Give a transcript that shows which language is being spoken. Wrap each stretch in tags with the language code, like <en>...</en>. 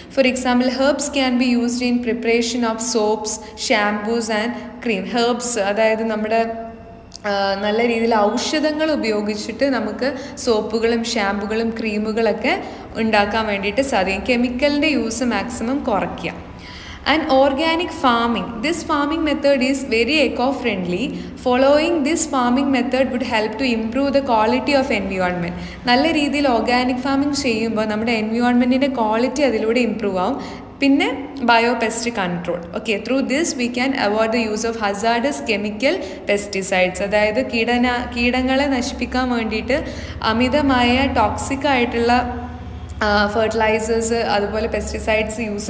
<en>For example, herbs can be used in preparation of soaps, shampoos and cream.</en> <ml>Herbs, അതായത് നമ്മുടെ നല്ല രീതിയിൽ ഔഷധങ്ങൾ ഉപയോഗിച്ചിട്ട് നമുക്ക് സോപ്പുകളും ഷാംപൂകളും ക്രീമുകളൊക്കെ ഉണ്ടാക്കാൻ വേണ്ടിയിട്ട് സാധിക്കും. കെമിക്കലിൻ്റെ യൂസ് മാക്സിമം കുറയ്ക്കുക.</ml> <en>And organic farming, this farming method is very eco-friendly. Following this farming method would help to improve the quality of environment.</en> <ml>നല്ല രീതിയിൽ ഓർഗാനിക് ഫാമിംഗ് ചെയ്യുമ്പോൾ നമ്മുടെ എൻവിയോൺമെൻറ്റിൻ്റെ ക്വാളിറ്റി അതിലൂടെ ഇമ്പ്രൂവ് ആവും. പിന്നെ ബയോപെസ്റ്റ് control.</ml> <en>okay, through this we can avoid the use of hazardous chemical pesticides,</en> <ml>അതായത് കീടങ്ങളെ നശിപ്പിക്കാൻ വേണ്ടിയിട്ട് അമിതമായ ടോക്സിക് ആയിട്ടുള്ള ഫെർട്ടിലൈസേഴ്സ് അതുപോലെ പെസ്റ്റിസൈഡ്സ്</ml>